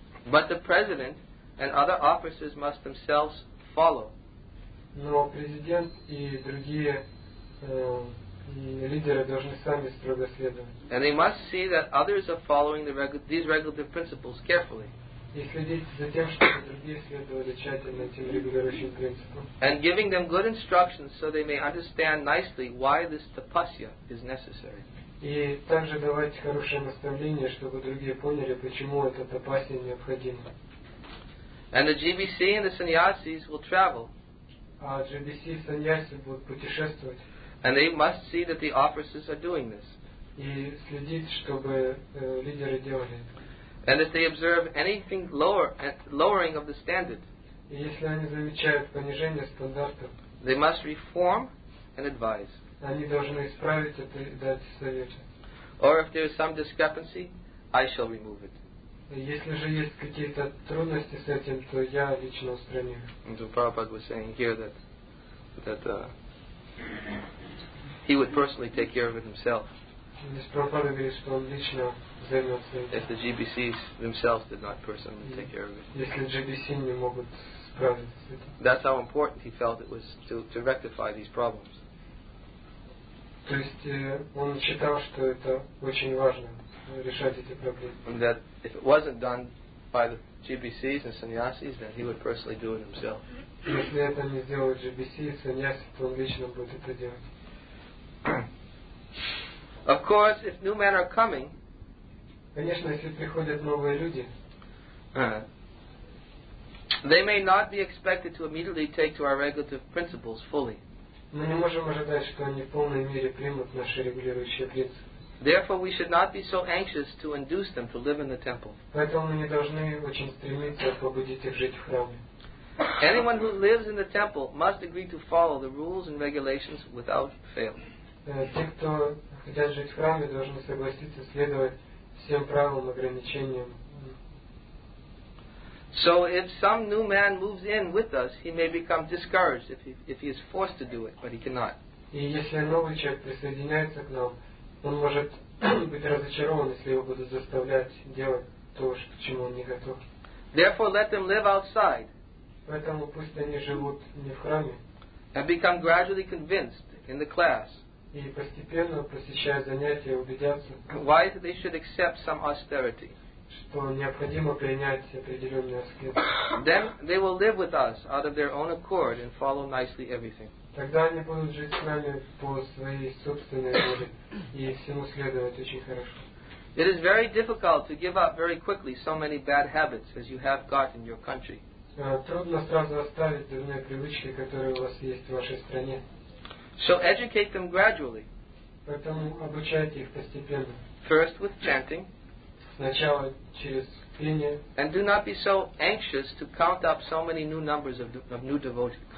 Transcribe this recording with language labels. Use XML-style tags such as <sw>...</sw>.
<en>But the president and other officers must themselves follow.</en> <ru>Но президент и другие лидеры должны сами строго следовать.</ru> <en>And they must see that others are following these regulative principles carefully.</en> <ru>И следить за тем, чтобы другие следовали тщательно этим регулирующим принципам.</ru> <en>And giving them good instructions so they may understand nicely why this tapasya is necessary.</en> <ru>И также давать хорошее наставление, чтобы другие поняли, почему это тапасья необходимо.</ru> <en>And the GBC and the sannyasis will travel.</en> <ru>А GBC и саньяси будут путешествовать.</ru> <en>And they must see that the officers are doing this.</en> <ru>И следить, чтобы лидеры делали это.</ru> <en>And if they observe anything lowering of the standard.</en> <ru>И если они замечают понижение стандартов.</ru> <en>They must reform and advise.</en> <ru>Они должны исправить это и дать советы.</ru> <en>Or if there is some discrepancy, I shall remove it.</en> <ru>Если же есть какие-то трудности с этим, то я лично устраню.</ru> <en>And so Prabhupada was saying here that he would personally take care of it himself.</en> <ru>Здесь Прабхупада говорит, что он лично займется этим.</ru> <en>If the GBCs themselves did not personally take care of it.</en> <ru>Если GBC не могут справиться с этим.</ru> <en>That's how important he felt it was to rectify these problems.</en> <ru>То есть он считал, что это очень важно. Решать эти проблемы.</ru> <en>And that if it wasn't done by the GBCs and sannyasis, then he would personally do it himself.</en> <ru>Если это не сделают GBC и sannyasis, то он лично будет это делать.</ru> <en>Of course, if new men are coming.</en> <ru>Конечно, если приходят новые люди.</ru> <en>They may not be expected to immediately take to our regulative principles fully.</en> <ru>Мы не можем ожидать, что они в полной мере примут наши регулирующие принципы.</ru> <en>Therefore, we should not be so anxious to induce them to live in the temple.</en> <ru>Поэтому мы не должны очень стремиться побудить их жить в храме.</ru> <en>Anyone who lives in the temple must agree to follow the rules and regulations without fail.</en> <ru>Те, кто хотят жить в храме, должны согласиться следовать всем правилам и ограничениям.</ru> <en>So, if some new man moves in with us, he may become discouraged if he is forced to do it, but he cannot.</en> <ru>И если новый человек присоединяется к нам. Он может быть разочарован, если его будут заставлять делать то, к чему он не готов.</ru> <en>Therefore, let them live outside.</en> <ru>Поэтому пусть они живут не в храме.</ru> <en>And become gradually convinced in the class.</en> <ru>и постепенно, посещая занятия, убедятся,</ru> <en>why they should accept some austerity.</en> <ru>Что необходимо принять определенные аскезы.</ru> <en>Then they will live with us out of their own accord and follow nicely everything.</en> <ru>Тогда они будут жить с нами по своей собственной воле и всему следовать очень хорошо.</ru> <en>It is very difficult to give up very quickly so many bad habits as you have got in your country.</en> <ru>Трудно сразу оставить дурные привычки, которые у вас есть в вашей стране.</ru> <en>So educate them gradually.</en> <ru>Поэтому обучайте их постепенно.</ru> <en>First with chanting.</en> <ru>Сначала через пение.</ru> <en>And do not be so anxious to count up so many new numbers of new devotees.</en>